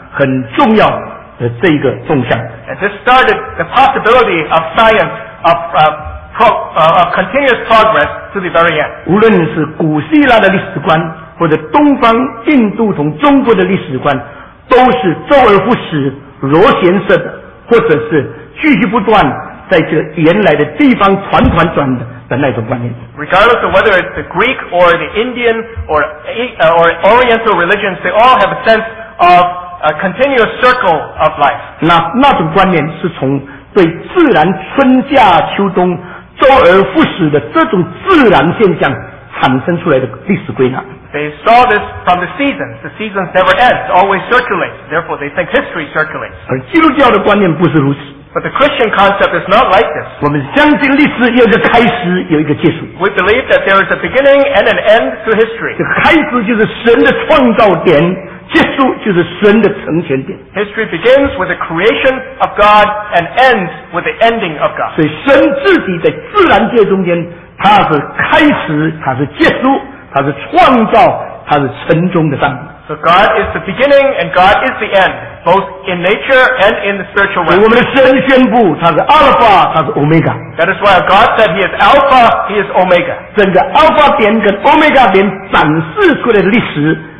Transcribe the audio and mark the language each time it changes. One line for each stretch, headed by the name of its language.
Chinese: 就因为这样奠定了西方的科技能发展，人性创造可以继续发挥的历史上很重要的这一个动向。
English: And this started the possibility of science of continuous progress to the very end.
Chinese: 无论是古希腊的历史观，或者东方印度同中国的历史观，都是周而复始、螺旋式的，或者是继续不断在这个原来的地方团团转的那种观念。
English: Regardless of whether it's the Greek or the Indian or Oriental religions, they all have a sense of a continuous circle of life.
Chinese: 那种观念是从对自然春夏秋冬 周而复始的这种自然现象产生出来的历史归纳。
English: They saw this from the seasons. The seasons never end, always circulates. Therefore, they think history circulates.
Chinese: 而基督教的观念不是如此。
English: But the Christian concept is not like this.
Chinese: 我们相信历史有一个开始，有一个结束。
English: We believe that there is a beginning and an end to history.
Chinese: 这个开始就是神的创造点。
English: History begins with the creation of God and ends with the ending of God.
Chinese: 所以神自己在自然界中间，他是开始，他是结束，他是创造，他是成终的上帝。
English: So God is the beginning and God is the end, both in nature and in the spiritual realm.
Chinese: 我们的神宣布，他是阿尔法，他是欧米伽。
English: That is why God said He is Alpha, He is Omega.
Chinese: 整个阿尔法点跟欧米伽点展示出来的历史。